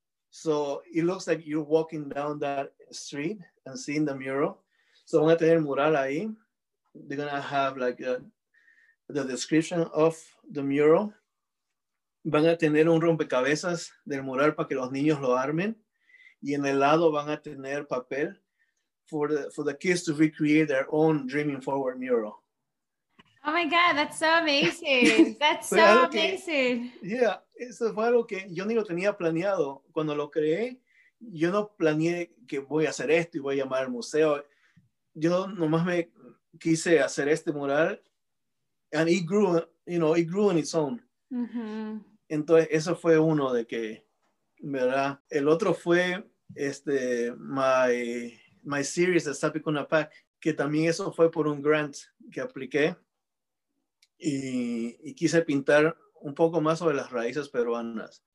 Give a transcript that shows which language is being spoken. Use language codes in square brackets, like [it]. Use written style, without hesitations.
[en] So it looks like you're walking down that street and seeing the mural. So [es] van a tener mural ahí. [en] They're gonna have like the description of the mural. [es] Van a tener un rompecabezas del mural para que los niños lo armen. Y en el lado van a tener papel [en] for the kids to recreate their own Dreaming Forward mural. Oh my God, that's so amazing. That's so amazing. [es] Que, yeah, eso fue algo que yo ni lo tenía planeado. Cuando lo creé, yo no planeé que voy a hacer esto y voy a llamar al museo. Yo nomás me quise hacer este mural, [en] and it grew, you know, it grew on its own. [es] Mm-hmm. Entonces, eso fue uno de que, ¿verdad? El otro fue [en] my series [es] de Sapikunapak, que también eso fue por un grant que apliqué. Y quise pintar un poco más sobre las raíces peruanas.